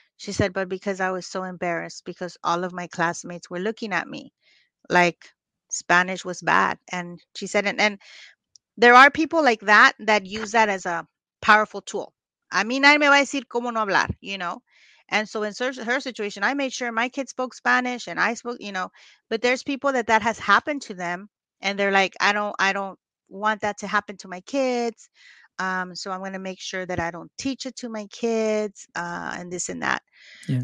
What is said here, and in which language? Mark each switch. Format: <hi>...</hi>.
<en>She said, but because I was so embarrassed because all of my classmates were looking at me like Spanish was bad. And she said, and there are people like that, that use that as a powerful tool.</en> <es>A mí nadie me va a decir cómo no hablar,</es> <en>you know? And so in her situation, I made sure my kids spoke Spanish and I spoke, you know, but there's people that has happened to them and they're like, I don't want that to happen to my kids. So I'm going to make sure that I don't teach it to my kids and this and that. Yeah.</en>